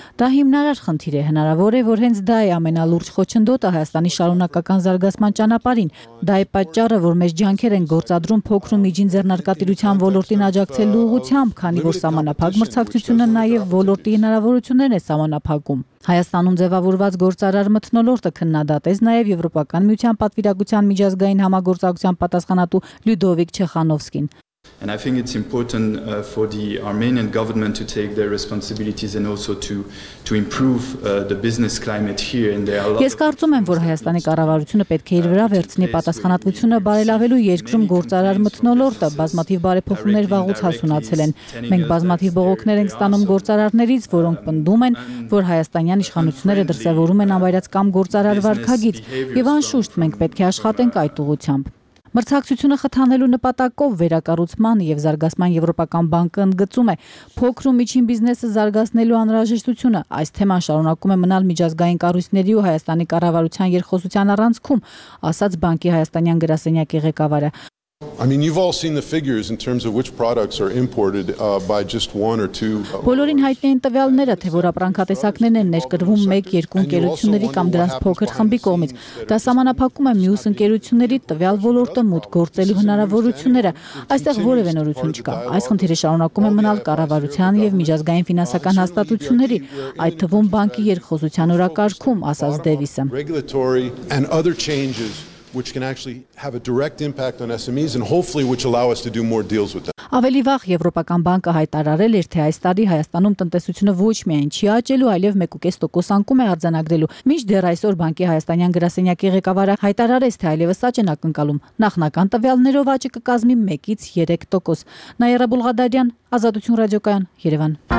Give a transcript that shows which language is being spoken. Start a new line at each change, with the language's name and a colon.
Armenian: Դա հիմնարար խնդիր է, հնարավոր է, որ հենց դա է ամենալուրջ խոչընդոտը Հայաստանի շարունակական զարգացման ճանապարհին։ Դա է պատճառը, որ մեր ջանքեր են գործադրում փոքր ու միջին ձեռնարկատիրության ոլորտին աջակցելու ուղղությամբ, քանի որ սահմանափակ մրցակցությունը նաև ոլորտի հնարավորություններն է սահմանափակում։ Հայաստանում ձևավորված գործարար մթնոլորտը քննադատեց նաև Եվրոպական միության պատվիրակության միջազգային համագործակցության պատասխանատու Լյուդովիկ Չեխանովսկին։
English: And I think it's important for the Armenian government to take their responsibilities and also to improve the business climate here and there.
Armenian: Ես կարծում եմ, որ Հայաստանի կառավարությունը պետք է իր վրա վերցնի պատասխանատվությունը բարելավելու երկրում գործարար մթնոլորտը, բազմաթիվ բարեփոխումներ վաղուց հասունացել են։ Մենք բազմաթիվ բողոքներ ենք ստանում գործարարներից, որոնք պնդում են, որ հայաստանյան իշխանությունները դրսևորում են ավայրած կամ գործարար վարքագիծ, եւ անշուշտ մենք պետք է աշխատենք այդ ուղղությամբ։ Մրցակցությունը խթանելու նպատակով վերակառուցման և զարգացման Եվրոպական բանկը ընդգծում է փոքր ու միջին բիզնեսը զարգացնելու անհրաժեշտությունը։ Այս թեման շարունակում է մնալ միջազգային կառույցների ու Հայաստանի կառավարության երկխոսության առանցքում, ասաց բանկի հայաստանյան գրասենյակի ղեկավարը։
English: I mean you've all seen the figures in terms of which products are imported by just one or two.
Armenian: Բոլորին հայտնի են տվյալները, թե որ ապրանքատեսակներն են ներկրվում 1-2 ընկերությունների կամ դրանց փոքր խմբի կողմից։ Դա սահմանափակում է մյուս ընկերությունների տվյալ ոլորտը մուտք գործելու հնարավորությունները։ Այստեղ որևէ նորություն չկա։ Այս խնդիրը շարունակում է մնալ կառավարության եւ միջազգային ֆինանսական հաստատությունների, այդ թվում բանկի երկխոսության օրակարգում, ասաց Դևիսը։
English: Which can actually have a direct impact on SMEs and hopefully which allow us to do more deals with them.
Armenian: Ավելի վաղ Եվրոպական բանկը հայտարարել էր, թե այս տարի Հայաստանում տնտեսությունը ոչ միայն չի աճելու, այլև 1.5% անկում է արձանագրելու։ Մինչդեռ այսօր բանկի հայաստանյան գրասենյակի ղեկավարը հայտարարեց, թե այլևս աճեն ակնկալում։ Նախնական տվյալներով աճը կկազմի 1-3%։ Նաիրա Բուլղադարյան, Ազատություն ռադիոկայան, Երևան։